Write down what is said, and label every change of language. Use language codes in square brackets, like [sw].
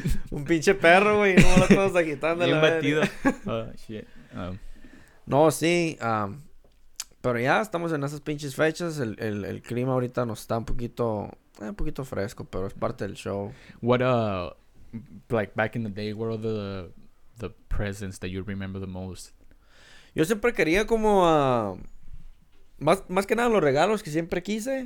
[es] un pinche perro, güey. No lo estamos agitando. Bien batido. Shit. No, sí. Pero ya estamos en esas pinches fechas. El clima ahorita nos está un poquito fresco, pero es parte del show. [en] What a... Like back in the day, what are the presents that you remember the most? [es] Yo siempre quería como más que nada los regalos que siempre quise.